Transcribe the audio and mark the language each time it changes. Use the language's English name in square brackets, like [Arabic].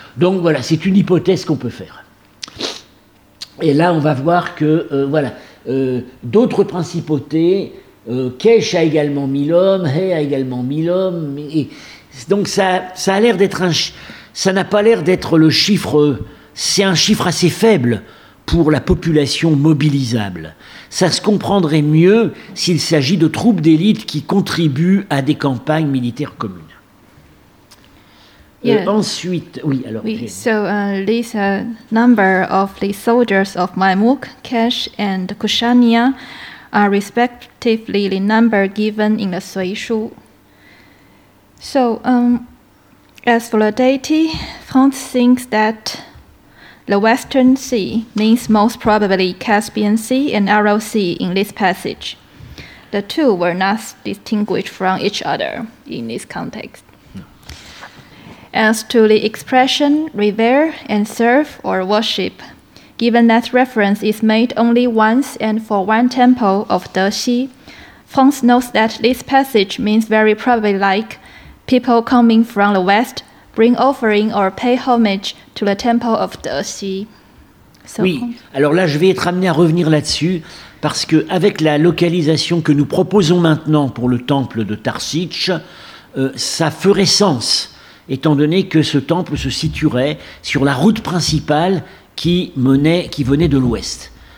[French] Donc voilà, c'est une hypothèse qu'on peut faire. Et là, on va voir que, d'autres principautés, Kesh a également 1000 hommes, He a également 1000 hommes, et donc ça a l'air d'être ça n'a pas l'air d'être le chiffre, c'est un chiffre assez faible pour la population mobilisable. Ça se comprendrait mieux s'il s'agit de troupes d'élite qui contribuent à des campagnes militaires communes. [English] Yeah. [French] Ensuite, oui, alors. [English] Oui, so this number of the soldiers of Mamouk, Kesh, and Kushania are respectively the number given in the Sui Shu. So, as for the deity, Franz thinks that the Western Sea means most probably Caspian Sea and Aral Sea in this passage. The two were not distinguished from each other in this context. As to the expression revere and serve or worship, given that reference is made only once and for one temple of Dexi, Fons notes that this passage means very probably like people coming from the west bring offering or pay homage to the temple of Dexi. [French] So, oui, alors là je vais être amené à revenir là-dessus parce que avec la localisation que nous proposons maintenant pour le temple de Tarsich, ça ferait sens. Étant donné que ce temple se situerait sur la route principale qui venait de l'ouest.